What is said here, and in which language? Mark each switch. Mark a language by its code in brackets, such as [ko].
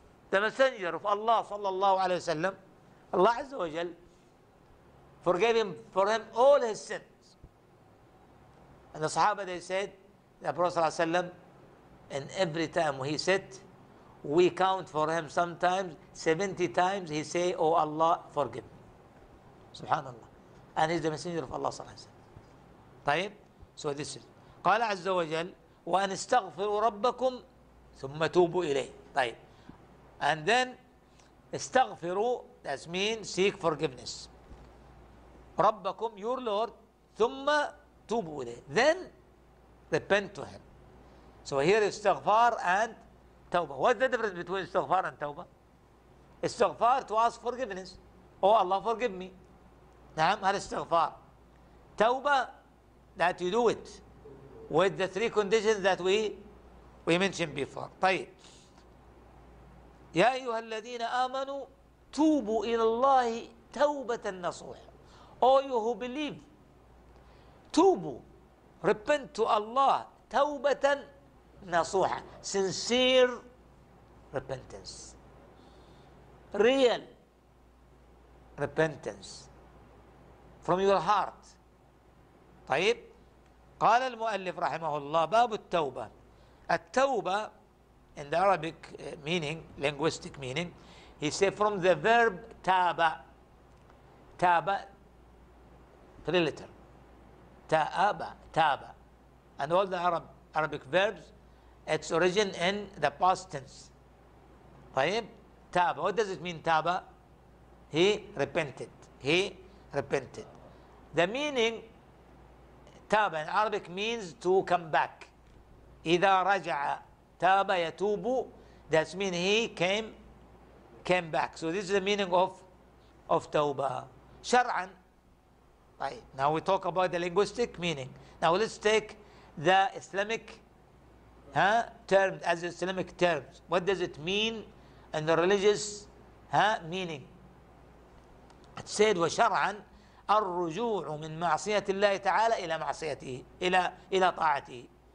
[en] The messenger of Allah [ar] صلى الله عليه وسلم, [en] Allah عز وجل forgave him for him all his sins. And the Sahaba, they said, the Prophet صلى الله عليه وسلم, in every time when he said, we count for him sometimes, 70 times he say, oh Allah forgive me. [ar] سبحان الله. [en] And he's the messenger of Allah صلى الله عليه وسلم. [ar] طيب, [en] so this is, [ar] قال عز وجل وأن استغفروا ربكم ثم توبوا إليه. [en] طيب, and then استغفروا, that means seek forgiveness, ربكم your Lord, [ar] ثم توبوا إليه, [en] then repent to him. So here استغفار and توبة. What's the difference between استغفار and توبة؟ استغفار to ask forgiveness, oh Allah forgive me. [ar] نعم, هذا استغفار. [en] توبة that you do it with the three conditions that we mentioned before. [ar] طيب, يا أيها الذين آمنوا توبوا إلى الله توبة نصوح. [en] Oh you who believe, توبوا, repent to Allah توبة نصوح, sincere repentance, real repentance from your heart. [ar] طيب, قال المؤلف رحمه الله باب التوبة. [en] التوبة in the Arabic meaning, linguistic meaning, he said from the verb تابة. تابة three letter, تابة, تابة, and all the Arabic verbs, its origin in the past tense. طيب, تابة, what does it mean تابة? He repented, he repented. The meaning تاب in Arabic means to come back. [ar] إذا رجع تاب يتوب, that means he came back. [en] So this is the meaning of توبة شرعا. Right. Now we talk about the linguistic meaning. Now let's take the Islamic terms as Islamic terms. What does it mean in the religious meaning? It said [ar] وشرعا الرجوع من معصية الله تعالى إلى معصيته إلى طاعته.